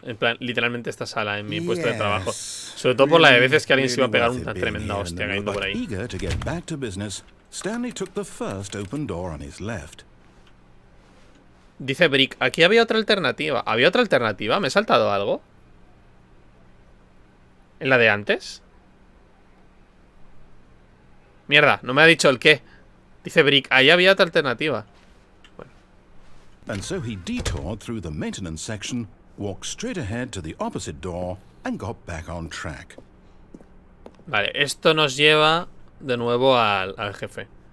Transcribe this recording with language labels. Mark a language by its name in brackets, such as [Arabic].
[Spanish] En plan, literalmente esta sala en mi puesto de trabajo. Sobre todo por la de veces que alguien se iba a pegar una tremenda hostia cayendo por ahí. [English] Eager to get back to business. Stanley took the first open door on his left. [Spanish] Dice Brick, aquí había otra alternativa. ¿Había otra alternativa? ¿Me he saltado algo? ¿En la de antes? Mierda, no me ha dicho el qué. Dice Brick, ahí había otra alternativa. Bueno. [English] And so he detoured through the maintenance section walked straight ahead to the opposite door and got back on track. [Spanish] Vale, esto nos lleva de nuevo al jefe.